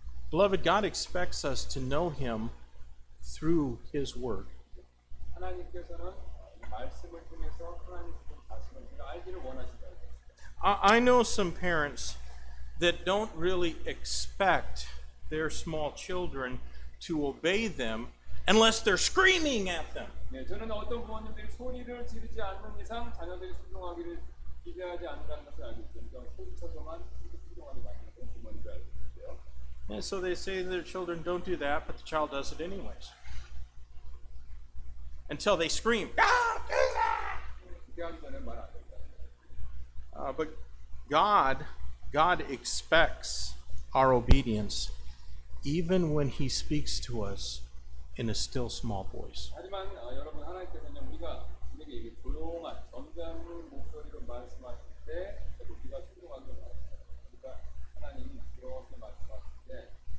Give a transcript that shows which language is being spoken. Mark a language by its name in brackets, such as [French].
[English] Beloved, God expects us to know Him through His Word. [Korean] 하나님께서는 말씀을 통해서 하나님 자신을 알기를 원하신다. [English] I know some parents that don't really expect their small children to obey them unless they're screaming at them. [Korean] 네, 저는 어떤 부모님들이 소리를 지르지 않는 이상 자녀들이 순종하기를 기대하지 않는다는 것을 알고 있습니다. 소리쳐서만 순종하는 많은 부모님들 알고 있는데요. [English] And so they say to their children, don't do that, but the child does it anyways. Until they scream, don't do that! [Korean] 기대하기 전에 말 안 된다. [English] But God expects our obedience even when He speaks to us in a still small voice. [Korean] 하지만 여러분 하나님께서는 우리가 우리에게 조용한 점잖은 목소리로 말씀하실 때 우리가 순종하기로 말씀하십니다. 하나님 조용하게 말씀하실 때